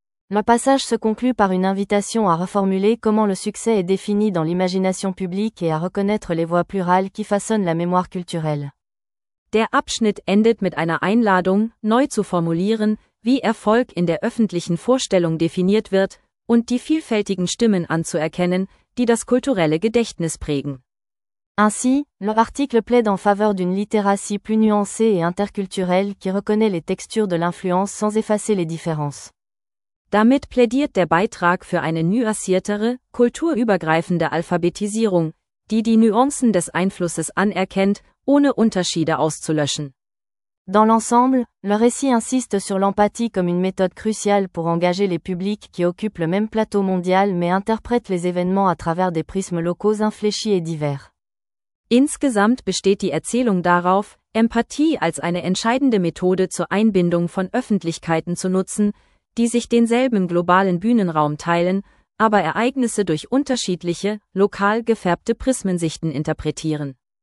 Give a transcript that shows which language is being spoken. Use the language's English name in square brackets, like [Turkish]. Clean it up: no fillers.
[French] Le passage se conclut par une invitation à reformuler comment le succès est défini dans l'imagination publique et à reconnaître les voix plurales qui façonnent la mémoire culturelle. [German] Der Abschnitt endet mit einer Einladung, neu zu formulieren, wie Erfolg in der öffentlichen Vorstellung definiert wird und die vielfältigen Stimmen anzuerkennen, die das kulturelle Gedächtnis prägen. [French] Ainsi, l'article plaide en faveur d'une littératie plus nuancée et interkulturelle qui reconnaît les textures de l'influence sans effacer les différences. [German] Damit plädiert der Beitrag für eine nuanciertere, kulturübergreifende Alphabetisierung, die die Nuancen des Einflusses anerkennt, ohne Unterschiede auszulöschen. [French] Dans l'ensemble, le récit insiste sur l'empathie comme une méthode cruciale pour engager les publics qui occupent le même plateau mondial mais interprètent les événements à travers des prismes locaux infléchis et divers. [German] Insgesamt besteht die Erzählung darauf, Empathie als eine entscheidende Methode zur Einbindung von Öffentlichkeiten zu nutzen, die sich denselben globalen Bühnenraum teilen, aber Ereignisse durch unterschiedliche, lokal gefärbte Prismensichten interpretieren.